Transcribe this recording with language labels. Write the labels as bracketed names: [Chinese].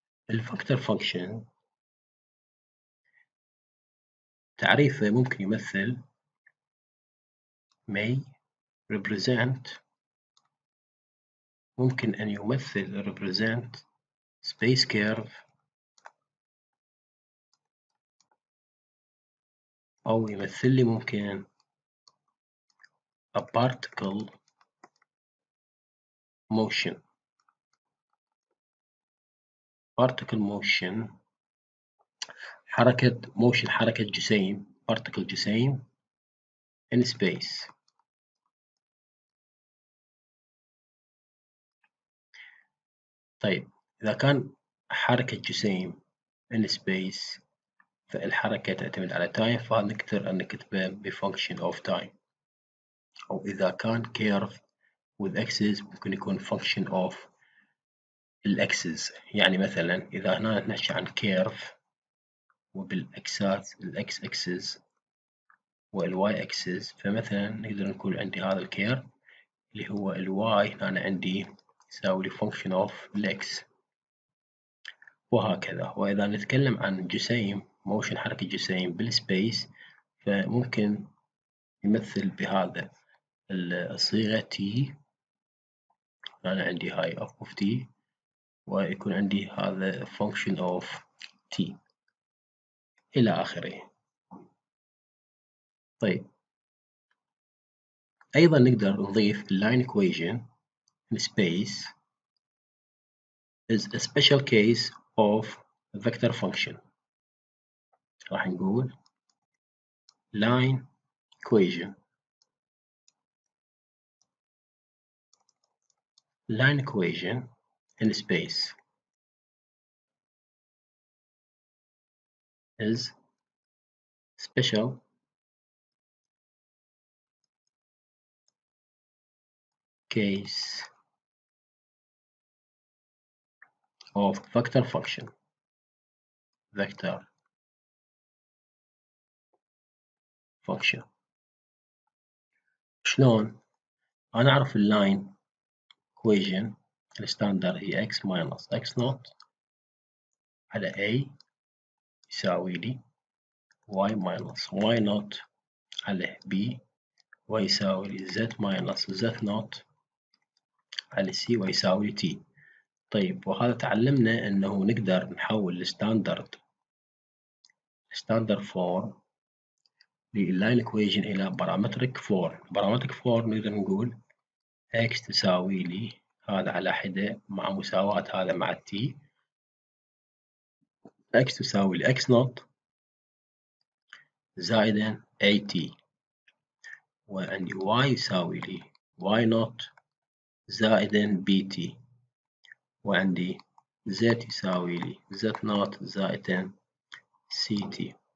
[Arabic] الفاكتور فانكشن تعريفه ممكن يمثل [English] may represent، [Arabic] ممكن أن يمثل [English] represent space curve [Arabic] أو يمثل لي ممكن [English] a particle motion. particle motion حركة motion [Arabic] حركة جسيم [English] particle جسيم in space. [Arabic] طيب إذا كان حركة جسيم [English] in space [Arabic] فالحركة تعتمد على time، فنقدر أن نكتبها ب [English] function of time. [Arabic] أو إذا كان [English] curve with axis [Arabic] ممكن يكون [English] function of axis. [Arabic] يعني مثلا إذا هنا نحكي عن curve وبالأكسات ال x axis وال y axis، فمثلا نقدر نقول عندي هذا ال curve اللي هو ال y هنا عندي يساوي لي [English] function of x [Arabic] وهكذا. وإذا نتكلم عن جسيم motion حركة جسيم بالspace فممكن يمثل بهذا الصيغة T، أنا عندي هاي F of T ويكون عندي هذا [English] function of T [Arabic] إلى آخره. طيب أيضا نقدر نضيف [English] line equation in space is a special case of vector function. [Arabic] راح نقول [English] line equation. line equation in space is special case of vector function. [Arabic] شلون؟ أنا أعرف اللاين equation الستاندر هي [English] x minus x naught [Arabic] على a يساوي لي [English] y minus y naught [Arabic] على b، ويساوي لي [English] z minus z naught [Arabic] على c، ويساوي لي t. طيب وهذا تعلمنا انه نقدر نحول الستاندرد فورم للاين اكويجن الى بارامتريك فورم. بارامتريك فورم نقدر نقول اكس تساوي لي هذا على حده مع مساواه هذا مع التي، اكس تساوي لي اكس نوت زائدا اي تي، وعندي واي يساوي لي واي نوت زائدا بي تي، وعندي زد يساوي لي زد نوت زائدا سي تي.